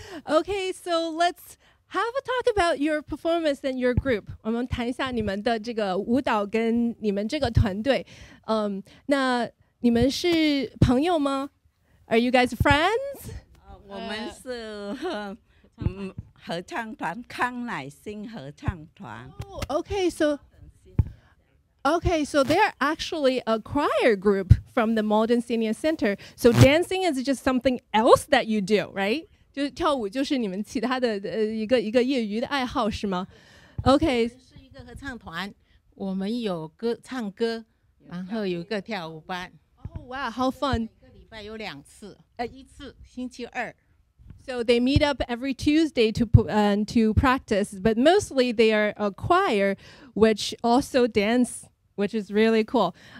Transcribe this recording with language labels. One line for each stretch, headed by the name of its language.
English: Okay, so let's have a talk about your performance and your group.
Chinese: 我们谈一下你们的这个舞蹈跟你们这个团队。那你们是朋友吗？
English: Are you guys friends?
Chinese: 我们是合唱团，康乃馨合唱团。
English: Okay, so they're actually a choir group from the Malden Senior Center. So dancing is just something else that you do, right?
Chinese: 就是跳舞就是你们其他的一个业余的爱好是吗？
English: Okay.
Chinese: 是一个合唱团，我们有歌唱歌，然后有一个跳舞班。
English: Oh wow, how fun!
Chinese: 一个礼拜有两次，一次星期二。
English: So they meet up every Tuesday to practice, but mostly they are a choir, which also dance, which is really cool.